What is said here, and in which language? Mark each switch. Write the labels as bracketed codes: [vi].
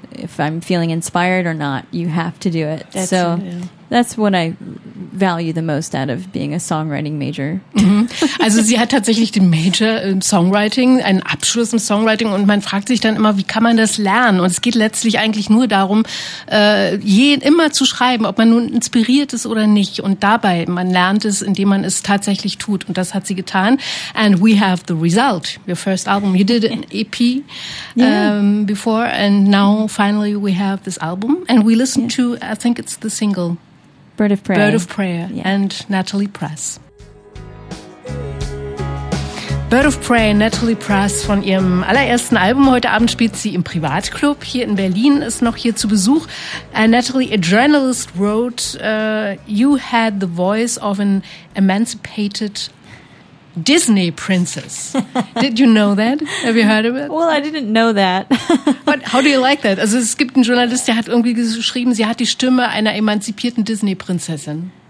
[en] If I'm feeling inspired or not, you have to do it. That's what I value the most out of being a songwriting major. [de] Also sie hat tatsächlich den Major im Songwriting, einen Abschluss im Songwriting und man fragt sich dann immer, wie kann man das lernen? Und es geht letztlich eigentlich nur darum, immer zu schreiben, ob man nun inspiriert ist oder nicht. Und dabei, man lernt es, indem man es tatsächlich tut. Und das hat sie getan. [en] And we have the result, your first album. You did an EP before and now finally we have this album. And we listen to, I think it's the single. Bird of Prey. Bird of Prey and Natalie Press. [de] Bird of Prey, Natalie Press von ihrem allerersten Album. Heute Abend spielt sie im Privatclub hier in Berlin, ist noch hier zu Besuch. [en] Natalie, a journalist wrote, you had the voice of an emancipated Disney princess. Did you know that? Have you heard of it? Well, I didn't know that. But how do you like that? [de] Also es gibt einen Journalist, der hat irgendwie geschrieben, sie hat die Stimme einer emanzipierten Disney-Prinzessin.